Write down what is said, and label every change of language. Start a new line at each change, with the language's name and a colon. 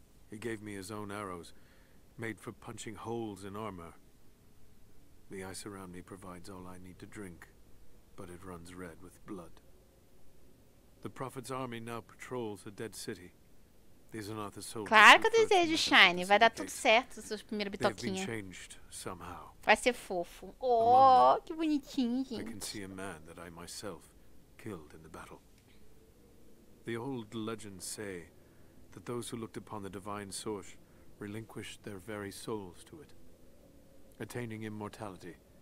English: He gave me his own arrows, made for punching holes in armor. The ice around me provides all I need to drink, but it runs red with blood. The Prophet's army now patrols a dead city.
Portuguese: Claro que eu desejo, Shine. Vai dar tudo certo, suas primeiras bitoquinhas. Vai ser fofo. Oh, que bonitinho, gente.
English: I can see a man that I myself killed in the battle. The old legends say that those who looked upon the divine source relinquished their very souls to it, attaining immortality.